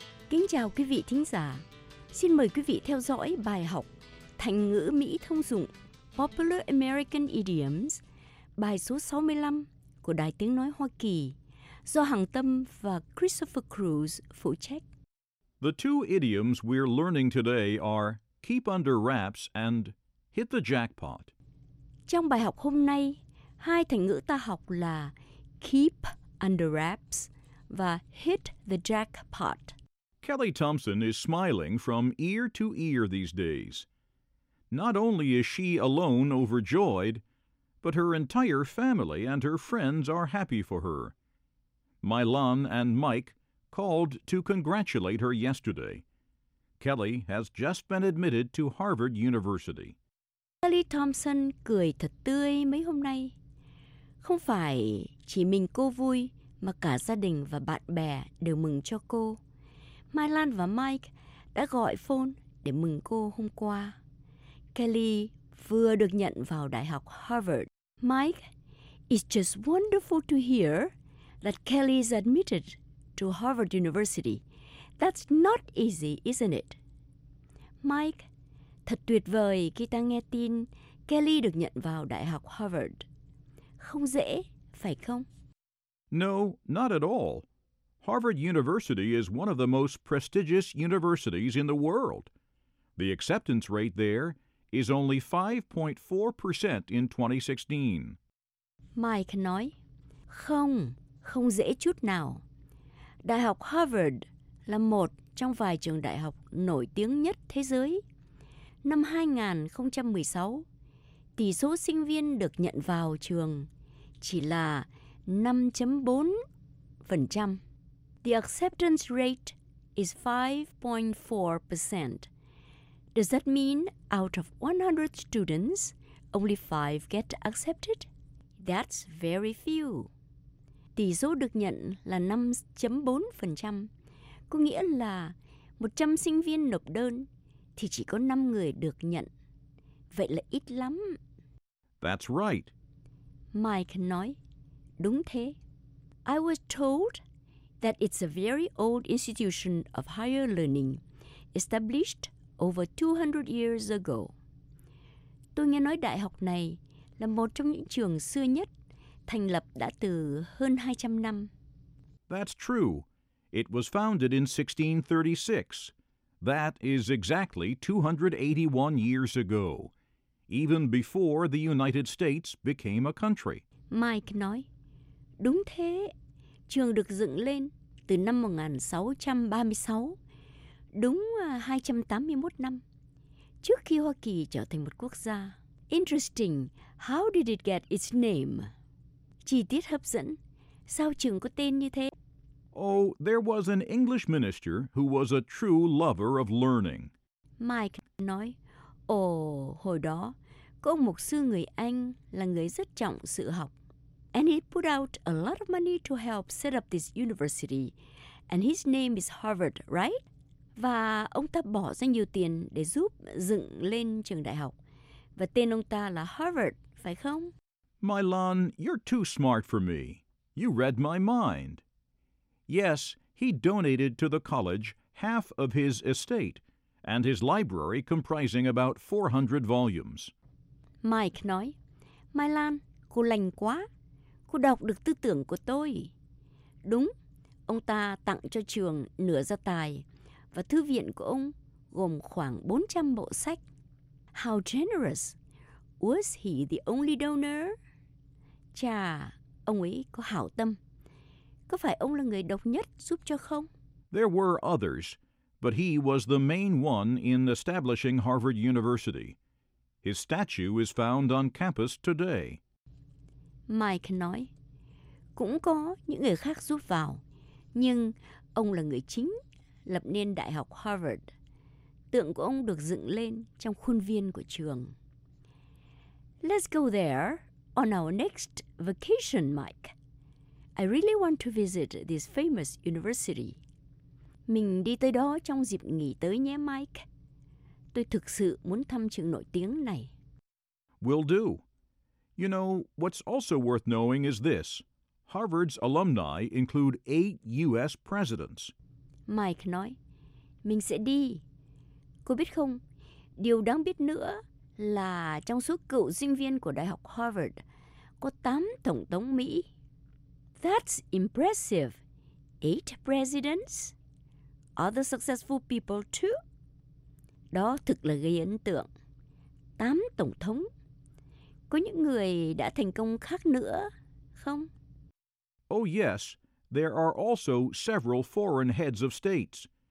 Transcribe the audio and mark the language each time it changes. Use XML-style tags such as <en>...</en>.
<vi>Kính chào quý vị thính giả. Xin mời quý vị theo dõi bài học thành ngữ Mỹ thông dụng</vi> <en>Popular American Idioms,</en> <vi>bài số 65 của Đài Tiếng Nói Hoa Kỳ, do Hằng Tâm và Christopher Cruz phụ trách.</vi> <en>The two idioms we're learning today are keep under wraps and hit the jackpot.</en> <vi>Trong bài học hôm nay, hai thành ngữ ta học là</vi> <en>keep under wraps</en> <vi>và</vi> <en>hit the jackpot. Kelly Thompson is smiling from ear to ear these days. Not only is she alone overjoyed, but her entire family and her friends are happy for her. Mylon and Mike called to congratulate her yesterday. Kelly has just been admitted to Harvard University.</en> <vi>Kelly Thompson cười thật tươi mấy hôm nay. Không phải chỉ mình cô vui, mà cả gia đình và bạn bè đều mừng cho cô. Mylon và Mike đã gọi phone để mừng cô hôm qua. Kelly vừa được nhận vào Đại học Harvard.</vi> <en>Mike, it's just wonderful to hear that Kelly is admitted to Harvard University. That's not easy, isn't it?</en> <vi>Mike, thật tuyệt vời khi ta nghe tin Kelly được nhận vào Đại học Harvard. Không dễ, phải không?</vi> <en>No, not at all. Harvard University is one of the most prestigious universities in the world. The acceptance rate there is only 5.4% in 2016.</en> <vi>Mike nói, không, không dễ chút nào. Đại học Harvard là một trong vài trường đại học nổi tiếng nhất thế giới. Năm 2016, tỷ số sinh viên được nhận vào trường chỉ là 5.4%.</vi> <en>The acceptance rate is 5.4%. Does that mean out of 100 students, only 5 get accepted? That's very few.</en> <vi>Tỷ số được nhận là 5.4%, có nghĩa là 100 sinh viên nộp đơn thì chỉ có 5 người được nhận. Vậy là ít lắm.</vi> <en>That's right.</en> <vi>Mike nói, đúng thế.</vi> <en>I was told that it's a very old institution of higher learning, established over 200 years ago.</en> <vi>Tôi nghe nói đại học này là một trong những trường xưa nhất, thành lập đã từ hơn 200 năm.</vi> <en>That's true. It was founded in 1636. That is exactly 281 years ago, even before the United States became a country.</en> <vi>Mike nói, đúng thế, trường được dựng lên từ năm 1636, đúng 281 năm, trước khi Hoa Kỳ trở thành một quốc gia.</vi> <en>Interesting, how did it get its name?</en> <vi>Chi tiết hấp dẫn, sao trường có tên như thế?</vi> <en>Oh, there was an English minister who was a true lover of learning.</en> <vi>Mike nói, ồ, hồi đó, có một mục sư người Anh là người rất trọng sự học.</vi> <en>And he put out a lot of money to help set up this university. And his name is Harvard, right?</en> <vi>Và ông ta bỏ ra nhiều tiền để giúp dựng lên trường đại học. Và tên ông ta là Harvard, phải không?</vi> <en>Mylon, you're too smart for me. You read my mind. Yes, he donated to the college half of his estate and his library comprising about 400 volumes.</en> <vi>Mike nói, Mylon, cô lành quá. Cô đọc được tư tưởng của tôi. Đúng, ông ta tặng cho trường nửa gia tài và thư viện của ông gồm khoảng 400 bộ sách.</vi> <en>How generous! Was he the only donor?</en> <vi>Chà, ông ấy có hảo tâm. Có phải ông là người độc nhất giúp cho không?</vi> <en>There were others, but he was the main one in establishing Harvard University. His statue is found on campus today.</en> <vi>Mike nói, cũng có những người khác giúp vào, nhưng ông là người chính lập nên Đại học Harvard. Tượng của ông được dựng lên trong khuôn viên của trường.</vi> <en>Let's go there on our next vacation, Mike. I really want to visit this famous university.</en> <vi>Mình đi tới đó trong dịp nghỉ tới nhé, Mike. Tôi thực sự muốn thăm trường nổi tiếng này.</vi> <en>Will do. You know, what's also worth knowing is this. Harvard's alumni include 8 U.S. presidents.</en> <vi>Mike nói, mình sẽ đi. Cô biết không, điều đáng biết nữa là trong số cựu sinh viên của Đại học Harvard, có 8 tổng thống Mỹ.</vi> <en>That's impressive. 8 presidents? Other successful people too?</en> <vi>Đó thực là gây ấn tượng. 8 tổng thống. Có những người đã thành công khác nữa, không?</vi> <en>Oh yes, there are also several foreign heads of states.</en>